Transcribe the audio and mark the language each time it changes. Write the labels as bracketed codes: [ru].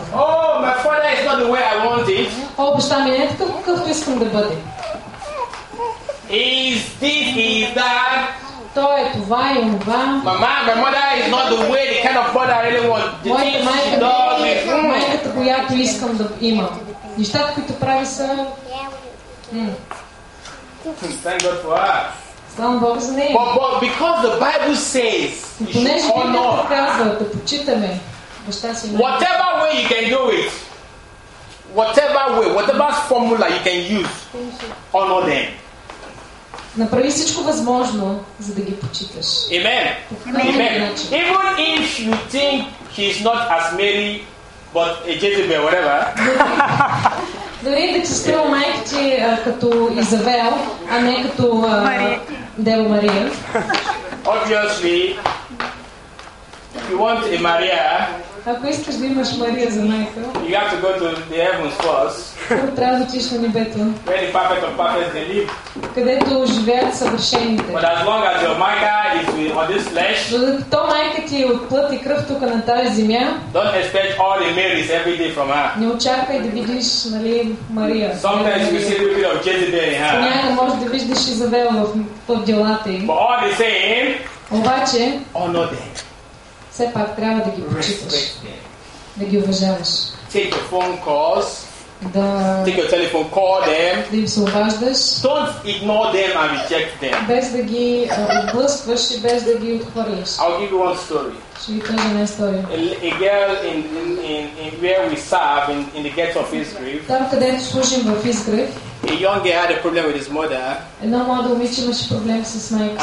[en] Oh, my father is not the way I want it. [bg] О, баща ми не е такъв, какъвто искам да бъде. [en] Is this, is that? [bg] То е това и онова. [en] My mother is not the way, the kind of mother I really want. [bg] Моята майка не е майката, която искам да има. Нещата, които прави са... [en] Thank God for her. But because the Bible says, you should honor. Whatever way you can do it, whatever way, whatever formula you can use, honor them. [bg] Направи всичко възможно, за да ги почиташ. [en] Amen. Amen. Even if you think he's not as Mary, but a Jezebel, whatever. [bg] Дори да че струва майка ти като Изавел, а не като Дева Мария. [en] Obviously, if you want a Maria, [bg] ако искаш да имаш Мария за майка, [en] you have to go to the heavens first. [bg] Трябва да отиш на небето. [en] Where the perfect of perfects they live. [bg] Където живеят съвършените. [en] But as long as your Maria is on this flesh, [bg] то майка ти е от плът и кръв тук на тази земя. [en] Don't expect all the Marys every day from her. [bg] Не очаквай да видиш, нали, Мария. [en] Sometimes you see a little bit of Jezebel in her. [bg] Понякога може да виждаш Изавел в делата им. [en] But all the same, [bg] обаче, [en] honor them. [bg] Все пак трябва да ги почиташ. Да ги уважаваш. [en] Take your phone calls. [bg] Да, [en] take your telephone, call them. [bg] Да им се обаждаш. [en] Don't ignore them and reject them. [bg] Без да ги отблъскваш и без да ги отхвърляш. [en] I'll give you one story. [bg] Ще ви кажа една история. [en] A girl in where we serve in the ghetto of Izgrif. [bg] Там където служим в Изгрев. [en] A young girl had a problem with his mother. [bg] Една млада момиче имаше проблем с майка.